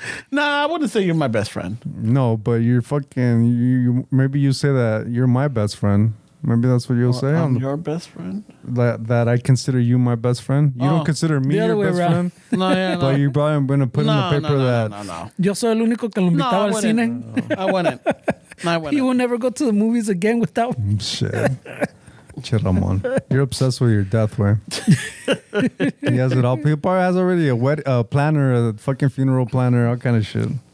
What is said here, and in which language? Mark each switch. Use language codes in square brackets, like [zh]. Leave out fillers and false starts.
[en] Nah, I wouldn't say you're my best friend. No, but you're fucking... Maybe you say that you're my best friend. Maybe that's what you'll say. I'm your best friend? That I consider you my best friend? You don't consider me your best friend? No, yeah, no. But you're probably going to put in the paper that... No. [es] Yo soy el único que lo invitaba al cine. [en] I wouldn't. He will never go to the movies again without... Shit. Che Ramon. You're obsessed with your death, way. He has it all. He probably has already a wedding, a planner, a fucking funeral planner, all kind of shit.